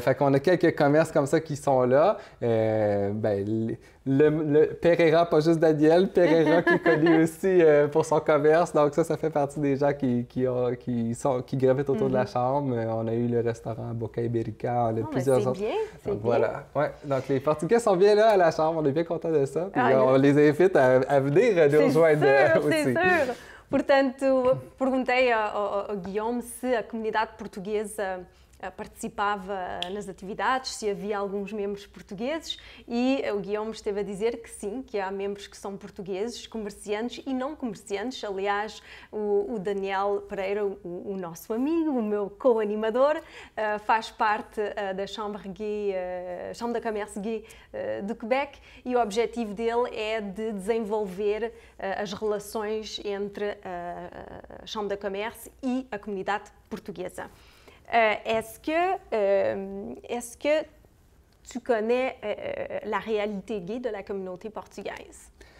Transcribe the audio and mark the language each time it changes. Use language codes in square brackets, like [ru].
[fr] Fait qu'on a quelques commerces comme ça qui sont là. Le Pereira, pas juste Daniel, Pereira qui est connu aussi pour son commerce. Donc ça fait partie des gens qui gravitent autour de la chambre. On a eu le restaurant Boca Iberica, on a plusieurs autres. C'est bien, c'est voilà. Bien. Ouais. Donc les Portugais sont bien là à la chambre, on est bien contents de ça. Puis, on les invite à venir nous rejoindre aussi. C'est sûr. [pt] Portanto, perguntei ao Guillaume se a comunidade portuguesa participava nas atividades, se havia alguns membros portugueses, e o Guillaume esteve a dizer que sim, que há membros que são portugueses, comerciantes e não comerciantes. Aliás, o Daniel Pereira, o nosso amigo, o meu co-animador, faz parte da Chambre Gay, Chambre de Commerce Gay do Quebec, e o objetivo dele é de desenvolver as relações entre a Chambre de Commerce e a comunidade portuguesa. [fr] Est-ce que tu connais la réalité gay de la communauté portugaise?